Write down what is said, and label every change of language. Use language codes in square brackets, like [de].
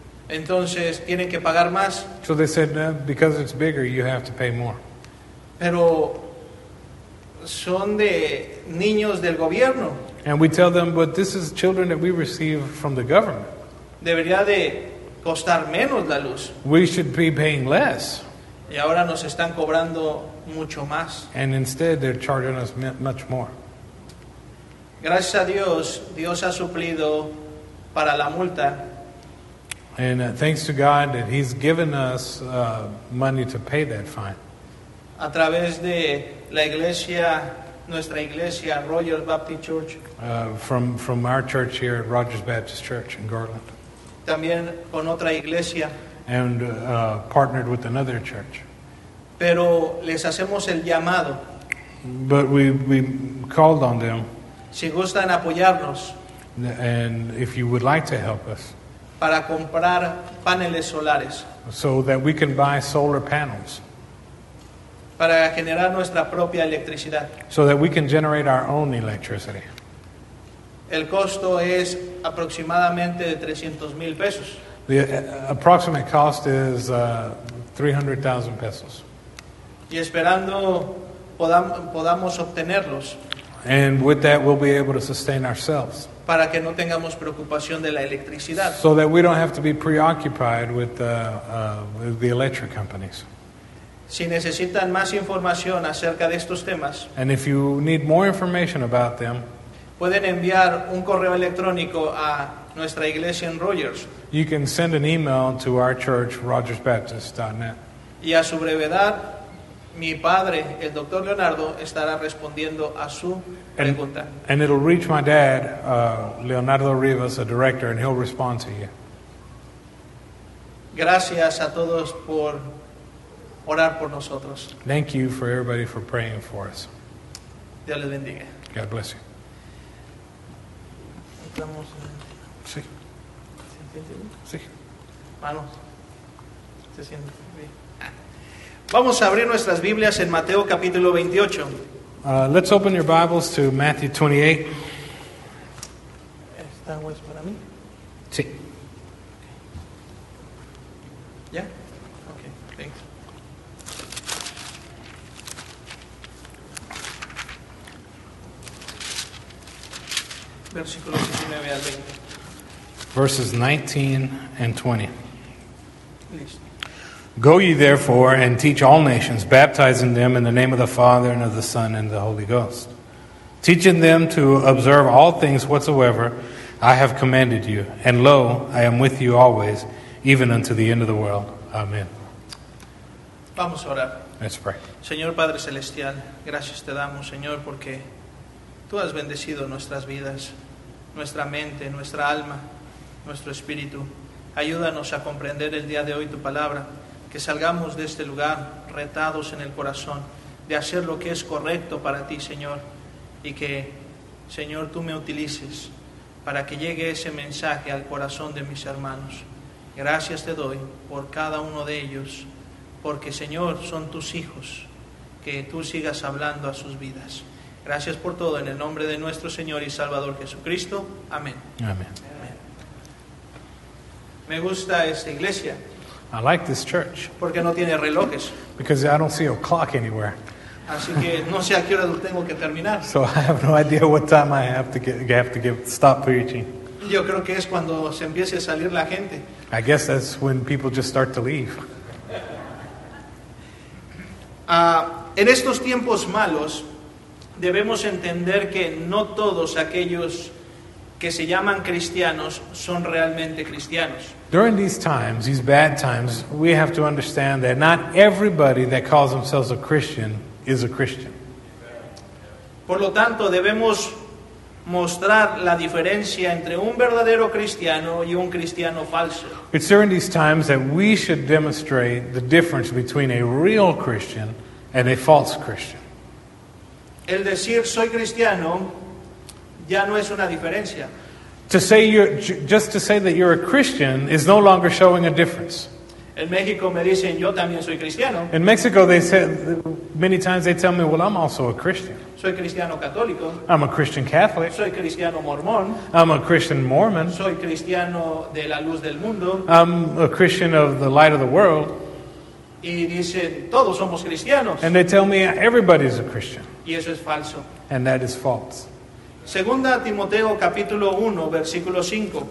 [es] Entonces tienen que pagar más. [en] So they said, no, because it's bigger, you have to pay more. [es] Pero son de niños del gobierno. [en] And we tell them, but this is children that we receive from the government. [es] Debería de costar menos la luz. [en] We should be paying less. [es] Y ahora nos están cobrando mucho más. [en] And instead they're charging us much more. [es] Gracias a Dios, Dios ha suplido para la multa. [en] And thanks to God that he's given us money to pay that fine. [es] A través de la iglesia, nuestra iglesia, Rogers Baptist Church. [en] From our church here at Rogers Baptist Church in Garland. [es] También con otra iglesia. [en] And partnered with another church. [es] Pero les hacemos el llamado. [en] But we called on them. [es] Si gustan apoyarnos. [en] And if you would like to help us. [es] Para comprar paneles solares. [en] So that we can buy solar panels. [es] Para generar nuestra propia electricidad. [en] So that we can generate our own electricity. [es] El costo es aproximadamente de 300 mil pesos. [en] The approximate cost is 300,000 pesos. [es] Y esperando podamos obtenerlos. [en] And with that we'll be able to sustain ourselves. [es] Para que no tengamos preocupación de la electricidad. [en] So that we don't have to be preoccupied with the electric companies. [es] Si necesitan más información acerca de estos temas. [en] And if you need more information about them. [es] Pueden enviar un correo electrónico a nuestra iglesia en Rogers. [en] You can send an email to our church, rogersbaptist.net. [es] Y a su brevedad, mi padre, el Dr. Leonardo, estará respondiendo a su pregunta. [en] And it'll reach my dad, Leonardo Rivas, the director, and he'll respond to you. [es] Gracias a todos por orar por nosotros. [en] Thank you for everybody for praying for us. [es] Dios les bendiga. [en] God bless you. [es] Estamos en... Sí. Sí. Manos. Se siente bien. Vamos a abrir nuestras Biblias en Mateo capítulo 28. [en] Let's open your Bibles to Matthew 28. [es] ¿Esta es para mí? Sí. ¿Ya? [en] Yeah? Ok, thanks. [es] Versículos 19 al 20. [en] Verses 19 and 20. Please. Go ye therefore and teach all nations, baptizing them in the name of the Father and of the Son and the Holy Ghost, teaching them to observe all things whatsoever I have commanded you. And lo, I am with you always, even unto the end of the world. Amen. [es] Vamos a orar. [en] Let's pray. [es] Señor Padre Celestial, gracias te damos, Señor, porque tú has bendecido nuestras vidas, nuestra mente, nuestra alma, nuestro espíritu. Ayúdanos a comprender el día de hoy tu palabra, que salgamos de este lugar retados en el corazón, de hacer lo que es correcto para ti, Señor, y que, Señor, tú me utilices para que llegue ese mensaje al corazón de mis hermanos. Gracias te doy por cada uno de ellos, porque, Señor, son tus hijos, que tú sigas hablando a sus vidas. Gracias por todo, en el nombre de nuestro Señor y Salvador Jesucristo. Amén. Amén. Me gusta esta iglesia. [en] I like this church. [es] Porque no tiene relojes. [en] Because I don't see a clock anywhere. [es] Así que no sé a qué hora lo tengo que terminar. [en] So I have no idea what time I have to stop preaching. [es] Yo creo que es cuando se empiece a salir la gente. [en] I guess that's when people just start to leave. [es] En estos tiempos malos, debemos entender que no todos aquellos que se llaman cristianos son realmente cristianos. [en] During these times, these bad times, we have to understand that not everybody that calls themselves a Christian is a Christian. [es] Por lo tanto, debemos mostrar la diferencia entre un verdadero cristiano y un cristiano falso. [en] It's during these times that we should demonstrate the difference between a real Christian and a false Christian. [es] El decir soy cristiano ya no es una diferencia. [en] To say that you're a Christian is no longer showing a difference. [es] En México me dicen, yo también soy cristiano. [en] In Mexico, they said, many times they tell me, well, I'm also a Christian. [es] Soy cristiano católico. [en] I'm a Christian Catholic. [es] Soy cristiano mormón. [en] I'm a Christian Mormon. [es] Soy cristiano de la luz del mundo. [en] I'm a Christian of the light of the world. [es] Y dicen, todos somos cristianos. [en] And they tell me, everybody's a Christian. [es] Y eso es falso. [en] And that is false. [es] 2 Timoteo capítulo 1 versículo 5.